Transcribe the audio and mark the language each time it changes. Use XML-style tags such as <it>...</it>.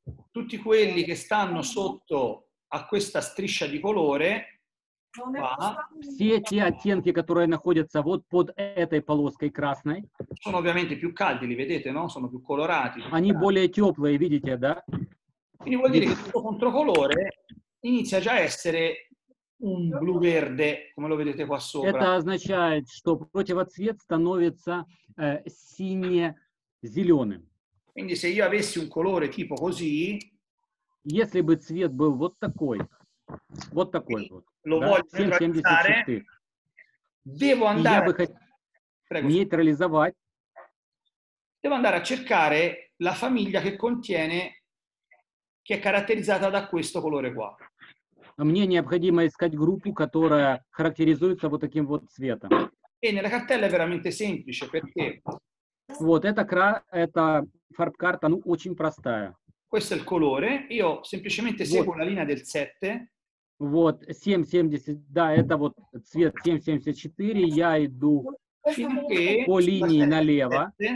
<it>Tutti quelli che stanno sotto a questa striscia di colore, qua,</it> <ru>все те оттенки, которые находятся вот под этой полоской красной,</ru> <it>sono ovviamente più caldi, li vedete, no? Sono più colorati.</it> <ru>Они более теплые, видите, да?</ru> <it>Quindi vuol dire che tutto controcolore inizia già a essere un blu-verde, come lo vedete qua sopra.</it> <ru>Это означает, что противоцвет становится сине-зеленым.</ru> <it>Quindi se io avessi un colore tipo così,</it> <ru>если бы цвет был вот такой, вот такой вот.</ru> <it>Lo да, voglio 774. Devo andare neutralizzare. Devo andare a cercare la famiglia che contiene, che è caratterizzata da questo colore qua.</it> <ru>Мне необходимо искать группу, которая характеризуется вот таким вот цветом.</ru> <it>E nella cartella è veramente semplice, perché</it> <ru>вот эта фарб-карта, ну, очень простая.</ru> <it>Questo è il colore, io semplicemente вот. Seguo la linea del 7.</it> <ru>Вот, 770, да, это вот цвет 774, я иду по линии налево.</ru>